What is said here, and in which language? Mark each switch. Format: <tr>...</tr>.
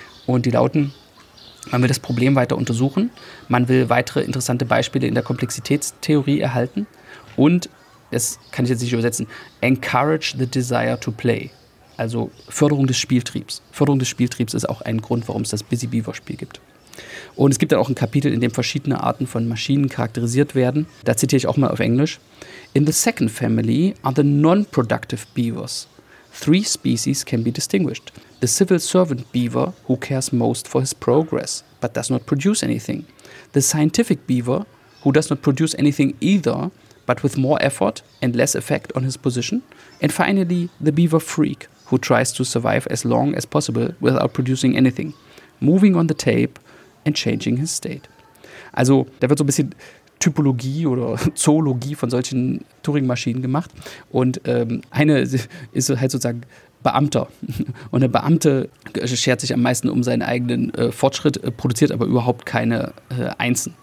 <de>Und die lauten, man will das Problem weiter untersuchen, man will weitere interessante Beispiele in der Komplexitätstheorie erhalten und, das kann ich jetzt nicht übersetzen,</de> <en>encourage the desire to play,</en> <de>also Förderung des Spieltriebs. Förderung des Spieltriebs ist auch ein Grund, warum es das Busy Beaver-Spiel gibt. Und es gibt dann auch ein Kapitel, in dem verschiedene Arten von Maschinen charakterisiert werden. Da zitiere ich auch mal auf Englisch.</de> <en>In the second family are the non-productive beavers. 3 species can be distinguished. The civil servant beaver, who cares most for his progress, but does not produce anything. The scientific beaver, who does not produce anything either, but with more effort and less effect on his position. And finally, the beaver freak, who tries to survive as long as possible without producing anything. Moving on the tape, and changing his state.</en> <de>Also, da wird so ein bisschen Typologie oder Zoologie von solchen Turing-Maschinen gemacht. Und eine ist halt sozusagen Beamter. Und der Beamte schert sich am meisten um seinen eigenen Fortschritt, produziert aber überhaupt keine Einsen.</de>